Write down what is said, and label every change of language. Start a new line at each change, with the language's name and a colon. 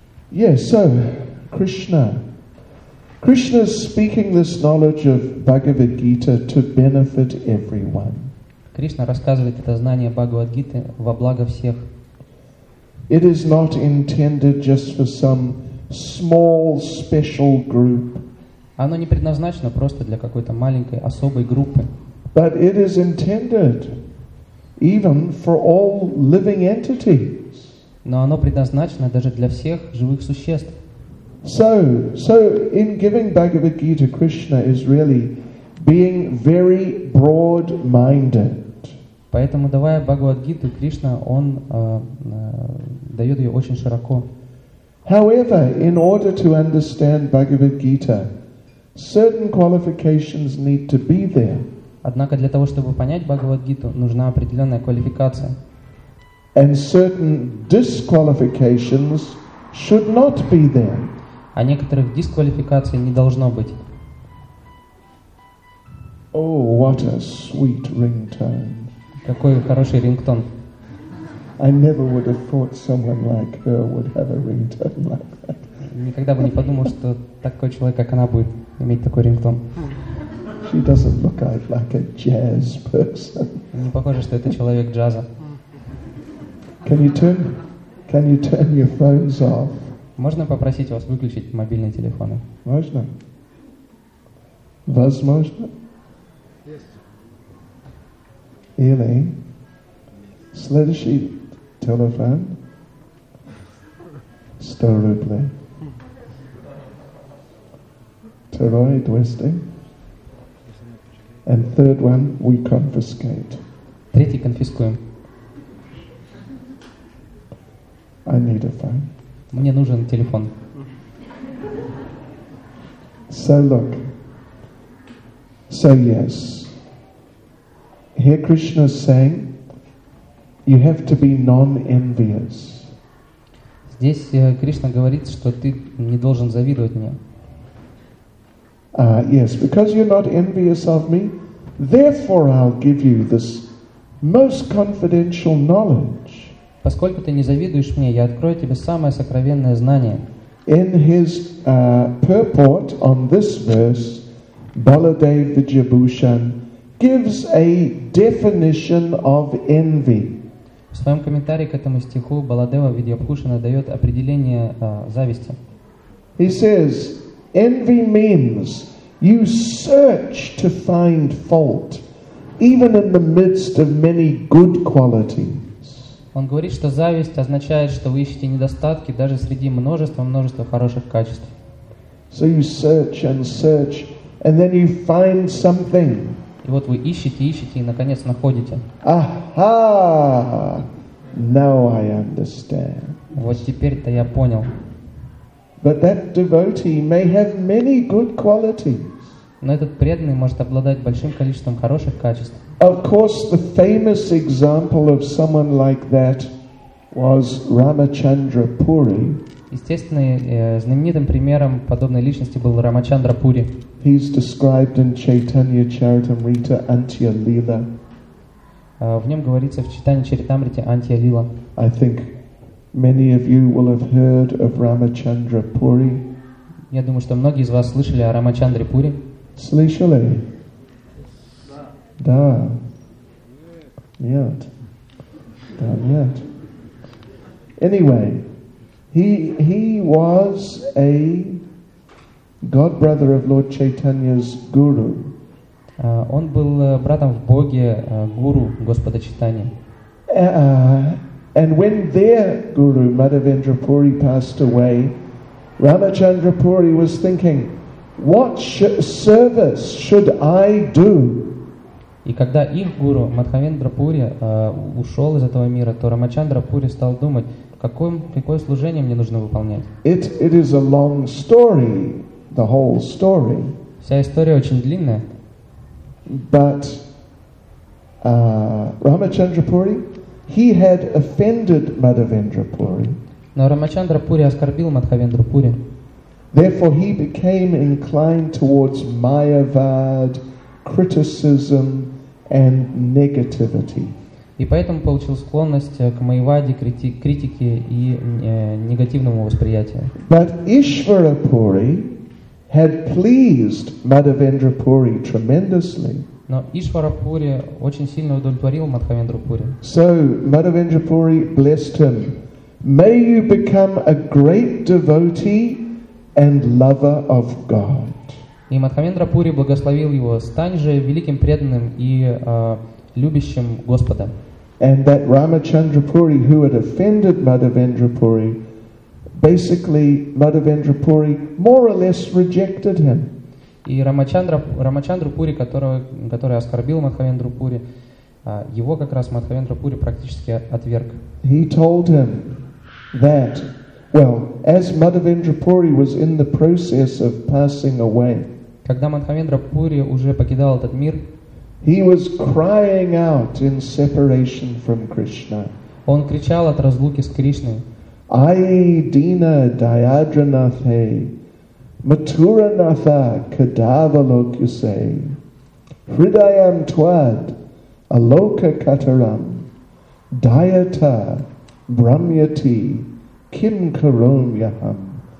English: Yes, so, Krishna. Krishna is speaking this knowledge of Bhagavad Gita to benefit everyone.
Russian: Krishna рассказывает это знание Бхагавад Гиты во благо всех.
English: It is not intended just for some small special group.
Russian: Оно не предназначено просто для какой-то маленькой особой группы.
English: But it is intended even for all living entities.
Russian: Но оно предназначено даже для всех живых существ.
English: So in giving Bhagavad Gita, Krishna is really being very broad-minded.
Russian: Поэтому давая Бхагавад Гиту, Кришна, он дает ее очень широко.
English: However, in order to understand Bhagavad Gita, certain qualifications need to be there.
Russian: Однако для того, чтобы понять Бхагавад Гиту, нужна определенная квалификация.
English: And certain disqualifications should not be there.
Russian: А некоторых дисквалификаций не должно быть.
English: Oh, what a sweet ringtone.
Russian: Какой хороший рингтон.
English: I never would have thought someone like her would have a ringtone like that.
Russian: Никогда бы не подумал, что такой человек, как она, будет иметь такой рингтон.
English: She doesn't look like a jazz person.
Russian: Не похоже, что это человек джаза.
English: Can you turn your phones off?
Russian: Можно попросить вас выключить мобильные телефоны? Можно? Возможно? Есть. Или следующий телефон 100 рублей. Второй 200.
English: And third one we confiscate.
Russian: Третий конфискуем.
English: I need a phone.
Russian: Мне нужен телефон.
English: So look. So yes. Here Krishna is saying, you have to be non-envious.
Russian: Здесь Кришна говорит, что ты не должен завидовать мне.
English: Yes, because you're not envious of me, Therefore, I'll give you this most confidential knowledge.
Russian: Поскольку ты не завидуешь мне, я открою тебе самое сокровенное знание.
English: In his purport on this verse, Baladev the Jibushan gives a definition of envy.
Russian: В своем комментарии к этому стиху Баладева Видьябхушана дает определение зависти.
English: He says, envy means you search to find fault, even in the midst of many good qualities.
Russian: Он говорит, что зависть означает, что вы ищете недостатки даже среди множества хороших качеств.
English: So you search and search, and then you find something.
Russian: И вот вы ищете, и наконец находите.
English: Aha! Now I understand.
Russian: Вот теперь-то я понял.
English: But that devotee may have many good qualities.
Russian: Но этот преданный может обладать большим количеством хороших качеств.
English: Of course, the famous example of someone like that was Ramachandra Puri.
Russian: Естественно, знаменитым примером подобной личности был Рамачандра Пури.
English: He's described in Chaitanya Charitamrita Antya Lila.
Russian: В нем говорится в Чайтанья Чаритамрите Антья Лила.
English: I think many of you will have heard of Ramachandra Puri.
Russian: Я думаю, что многие из вас слышали о Рамачандре Пури. Слышали? Да. Нет. Да, нет.
English: Anyway, he was a godbrother of Lord Chaitanya's guru.
Russian: Он был братом в Боге гуру Господа Чайтаньи.
English: And when their guru, Madhavendra Puri, passed away, Ramachandra Puri was thinking, what service should I do?
Russian: И когда их гуру, Мадхавендра Пури, ушел из этого мира, то Рамачандра Пури стал думать, какое служение мне нужно выполнять.
English: It is a long story, the whole story.
Russian: Вся история очень длинная.
English: But Ramachandra Puri, he had offended Madhavendra Puri.
Russian: Но Рамачандра Пури оскорбил Мадхавендру Пури.
English: Therefore, he became inclined towards Mayavad, criticism, and negativity.
Russian: И поэтому получил склонность к Майаваде, критике и негативному восприятию.
English: But Ishvara Puri had pleased Madhavendra Puri tremendously.
Russian: Но Ишвара Пури очень сильно удовлетворил Мадхавендру Пури.
English: So Madhavendra Puri blessed him. May you become a great devotee and lover of God.
Russian: И Мадхавендра Пури благословил его. Стань же великим преданным и любящим Господа.
English: And that Ramachandra Puri, who had offended Madhavendra Puri, basically Madhavendra Puri more or less rejected him.
Russian: И Рамачандру Пури, который оскорбил Мадхавендру Пури, его как раз Мадхавендра Пури практически отверг.
English: He told him that, well, as Madhavendra Puri was in the process of passing away,
Russian: когда Мадхавендра Пури уже покидал этот мир,
English: he was crying out in separation from Krishna.
Russian: Он кричал от разлуки с Кришной.
Sanskrit: Ай Дина Даядранатхе Матуранатха Кадавалок Юсей Хридаям Твад Алока Катарам Даята Брамьяти Ким Каром Яхам.